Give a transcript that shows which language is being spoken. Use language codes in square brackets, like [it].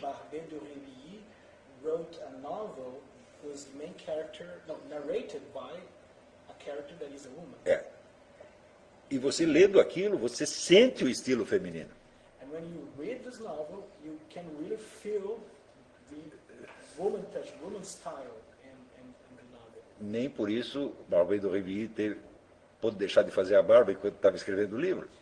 [en] Barbey de Révilly wrote a novel whose main character, narrated by a character that is a woman. [pt] É. E você lendo aquilo, você sente o estilo feminino. [en] And when you read this novel, you can really feel the woman touch, woman style in the novel. [pt] Nem por isso Barbey de Révilly pôde deixar de fazer a barba enquanto estava escrevendo o livro.